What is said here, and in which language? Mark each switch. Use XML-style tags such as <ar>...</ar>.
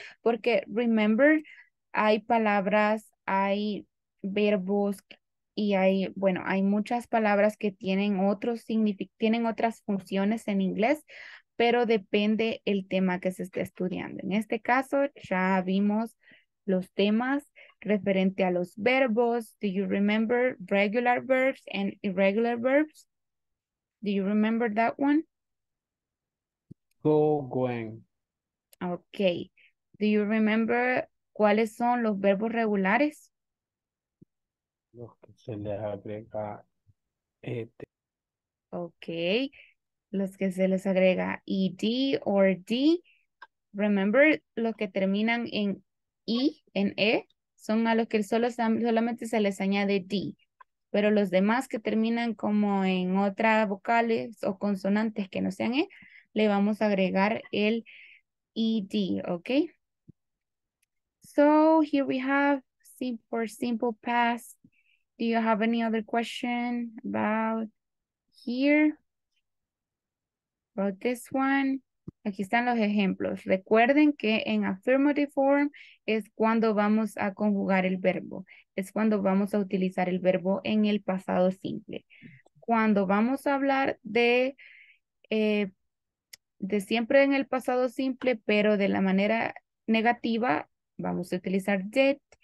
<es>Porque, remember, hay palabras, hay verbos, y hay, bueno, hay muchas palabras que tienen otros tienen otras funciones en inglés, pero depende el tema que se esté estudiando. En este caso, ya vimos los temas referente a los verbos.</es> <en>Do you remember regular verbs and irregular verbs? Do you remember that one? Go, Gwen.</en> <es>Okay.</es> <en>Do you remember</en> <es>cuáles son los verbos regulares? Los que se les agrega ed. Okay. Los que se les agrega ed or d. Remember, los que terminan en i, en e, son a los que solamente se les añade d. Pero los demás que terminan como en otras vocales o consonantes que no sean e, le vamos a agregar el ed, okay?</es> <en>So, here we have simple past. Do you have any other question about here? About this one?</en> <es>Aquí están los ejemplos. Recuerden que en affirmative form es cuando vamos a conjugar el verbo. Es cuando vamos a utilizar el verbo en el pasado simple. Cuando vamos a hablar de siempre en el pasado simple, pero de la manera negativa, vamos a utilizar did.</es>